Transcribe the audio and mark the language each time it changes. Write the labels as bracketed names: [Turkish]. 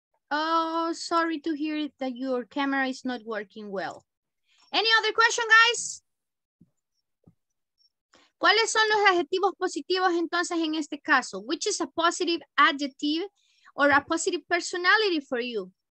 [English] Oh, sorry to hear that your camera is not working well. Any other question, guys? [Spanish] ¿Cuáles son los adjetivos positivos entonces en este caso? [English] Which is a positive adjective or a positive personality for you?